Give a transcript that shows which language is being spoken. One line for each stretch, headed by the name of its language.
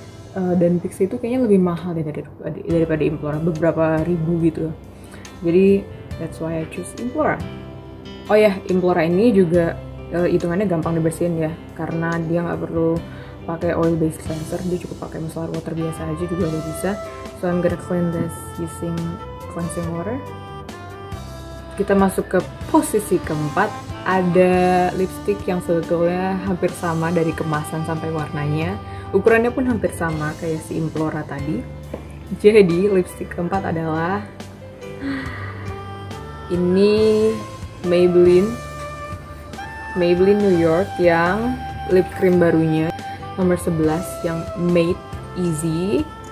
Indonesian: Dan Pixi itu kayaknya lebih mahal daripada Implora, beberapa ribu gitu.
English: Jadi that's why I choose Implora.
Indonesian: Oh ya, Implora ini juga hitungannya gampang dibersihin ya, karena dia nggak perlu pakai oil based cleanser, dia cukup pakai micellar water biasa aja juga udah bisa.
English: So I'm gonna clean this using cleansing water.
Indonesian: Kita masuk ke posisi keempat, ada lipstick yang sebetulnya hampir sama dari kemasan sampai warnanya, ukurannya pun hampir sama kayak si Implora tadi. Jadi lipstick keempat adalah ini Maybelline New York yang lip cream barunya nomor 11 yang Made Easy.